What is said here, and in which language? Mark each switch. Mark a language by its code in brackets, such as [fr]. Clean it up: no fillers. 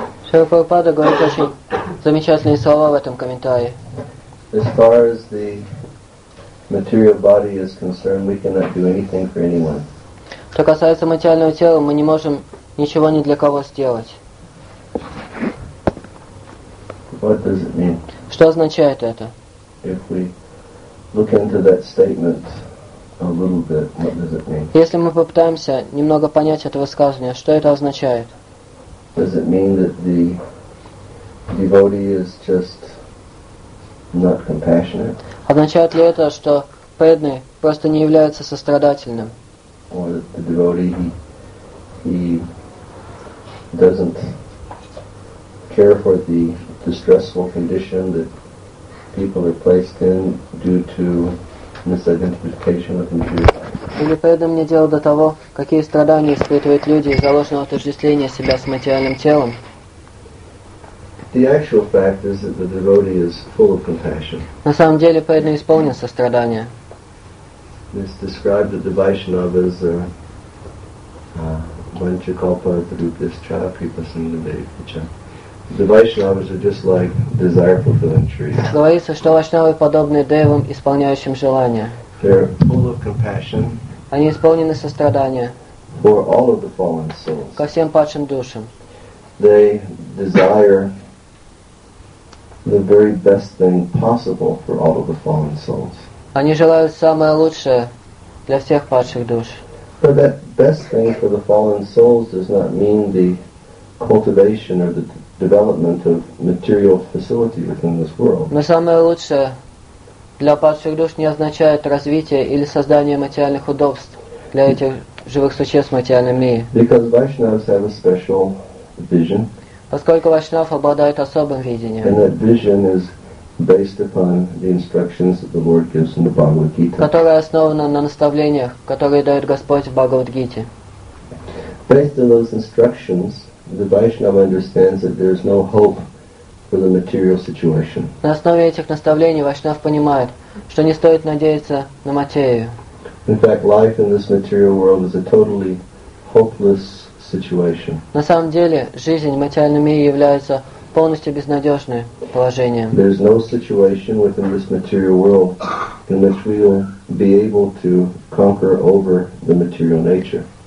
[ru] Шрила Прабхупада говорит очень замечательные слова в этом комментарии. [en] As far as the material body is concerned, we cannot do anything for anyone. [ru] Что касается материального тела, мы не можем ничего ни для кого сделать. [en] What does it mean? [ru] Что означает это? [en] If we look into that statement a little bit, what does it mean? [ru] Если мы попытаемся немного понять это высказывание, что это означает? [en] Does it mean that the devotee is just not compassionate? [ru] Означает ли это, что преданный просто не является сострадательным? [en] Or that the devotee he doesn't care for the distressful condition that people are placed in due to misidentification of material. [ru] Или преданный не делал до того, какие страдания испытывают люди из-за ложного отождествления себя с материальным телом. [en] The actual fact is that the devotee is full of compassion. [ru] На самом деле преданный исполнен сострадания. [en] It's described that the Vaishnava is a [sa] Vancha kalpa tadhyascha kipa sindhya. [en] The Vaishnavas are just like desire fulfilling trees. [ru] Говорится, что Вайшнавы подобны девам, исполняющим желания. [en] They're full of compassion. [ru] Они исполнены сострадания. [en] For all of the fallen souls. [ru] Ко всем падшим душам. [en] They desire the very best thing possible for all of the fallen souls. [ru] Они желают самое лучшее для всех падших душ. [en] But that best thing for the fallen souls does not mean the cultivation or the development of material facility within this world. [ru] Но самое лучшее для падших душ не означает развитие или создание материальных удобств для этих живых существ в материальном мире. [en] Because Vaishnavas have a special vision. [ru] Поскольку Вайшнав обладает особым видением. [en] And that vision is based upon the instructions that the Lord gives in the Bhagavad Gita. [ru] Которая основана на наставлениях, которые дает Господь в Бхагавад Гите. [en] Based on those instructions, the Vaishnava understands that there is no hope for the material situation. [ru] На основе этих наставлений Вайшнав понимает, что не стоит надеяться на материю. [en] In fact, life in this material world is a totally hopeless situation. [ru] На самом деле, жизнь в материальном мире является полностью безнадежное положение. [en] There is no situation within this material world in which we will be able to conquer over the material nature.